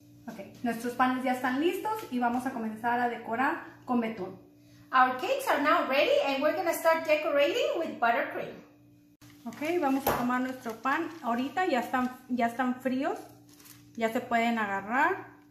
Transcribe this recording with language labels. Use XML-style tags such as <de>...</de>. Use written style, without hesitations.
<es>Okay, nuestros panes ya están listos y vamos a comenzar a decorar con betún.</es> <en>Our cakes are now ready and we're going to start decorating with buttercream.</en> <es>Ok, vamos a tomar nuestro pan. Ahorita ya están fríos, ya se pueden agarrar.</es>